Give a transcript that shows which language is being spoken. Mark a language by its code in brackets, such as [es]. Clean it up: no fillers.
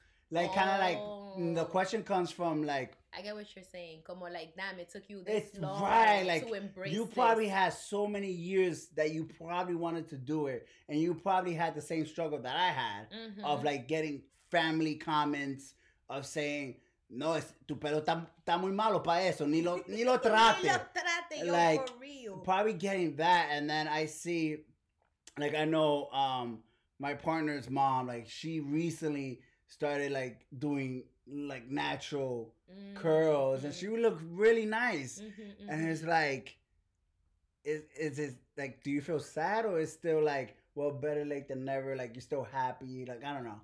[en] Like, kind of like, the question comes from, like... I get what you're saying. Como, like, damn, it took you this it's long right. like, to embrace it. You probably had so many years that you probably wanted to do it. And you probably had the same struggle that I had mm-hmm. of, like, getting family comments of saying... [es] No, es tu pelo está muy malo para eso. Ni lo trate. Ni lo trate, [en] yo, like, for real. Probably getting that. And then I see, like, I know my partner's mom, like, she recently started, like, doing, like, natural mm-hmm. curls. And she would look really nice. Mm-hmm, mm-hmm. And it's like, is it, like, do you feel sad or is still, like, well, better late than never, like, you're still happy, like, I don't know.